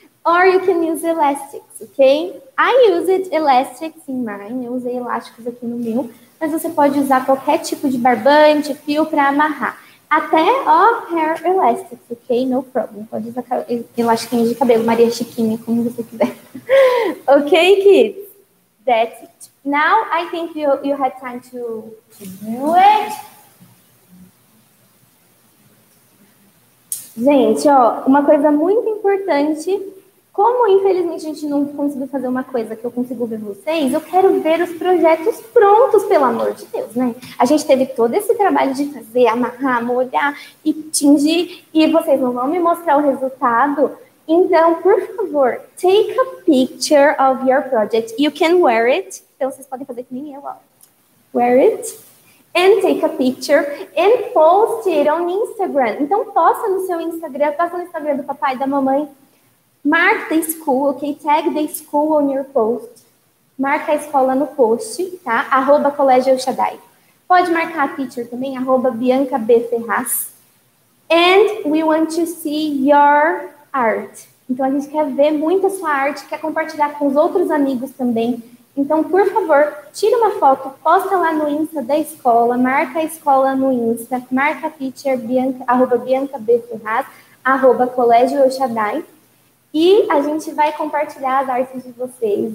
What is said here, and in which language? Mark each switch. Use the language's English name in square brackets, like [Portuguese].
[English] Or you can use elastics, ok? I used elastics in mine. [Portuguese] Eu usei elásticos aqui no meu. Mas você pode usar qualquer tipo de barbante, fio para amarrar. Até, ó, [English] hair elastics, ok? No problem. [Portuguese] Pode usar elastiquinho de cabelo, Maria Chiquinha, como você quiser. [English] Ok, kids? That's it. Now, I think you had time to do it. [Portuguese] Gente, ó, uma coisa muito importante. Como, infelizmente, a gente não conseguiu fazer uma coisa que eu consigo ver vocês, eu quero ver os projetos prontos, pelo amor de Deus, né? A gente teve todo esse trabalho de fazer, amarrar, molhar e tingir, e vocês não vão me mostrar o resultado. Então, por favor, [English] take a picture of your project. You can wear it. [Portuguese] Então, vocês podem fazer que nem eu, ó. [English] Wear it. And take a picture. And post it on Instagram. [Portuguese] Então, posta no seu Instagram. Posta no Instagram do papai e da mamãe. [English] Mark the school, ok? Tag the school on your post. [Portuguese] Marca a escola no post, tá? @ Colégio El Shaddai. Pode marcar a teacher também. [English] @ Bianca B. Ferraz. And we want to see your art. [Portuguese] Então, a gente quer ver muito a sua arte, quer compartilhar com os outros amigos também. Então, por favor, tira uma foto, posta lá no Insta da escola, marca a escola no Insta, marca teacher, Bianca, arroba Bianca B. Ferraz, arroba Colégio El Shaddai, e a gente vai compartilhar as artes de vocês.